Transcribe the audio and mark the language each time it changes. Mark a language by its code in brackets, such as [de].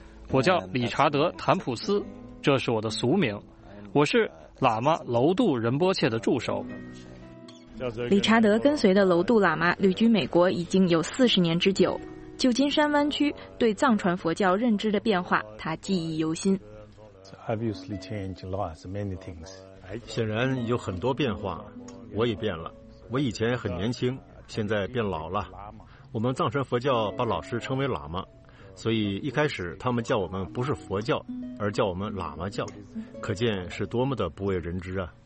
[zh] 我叫理查德·坦普斯，这是我的俗名。我是喇嘛楼杜仁波切的助手。理查德跟随的楼杜喇嘛旅居美国已经有40年之久。旧金山湾区对藏传佛教认知的变化，他记忆犹新。 [en] Obviously changed lots, many things. [zh] 显然有很多变化，我也变了。我以前很年轻，现在变老了。我们藏传佛教把老师称为喇嘛，所以一开始他们叫我们不是佛教，而叫我们喇嘛教，可见是多么的不为人知啊。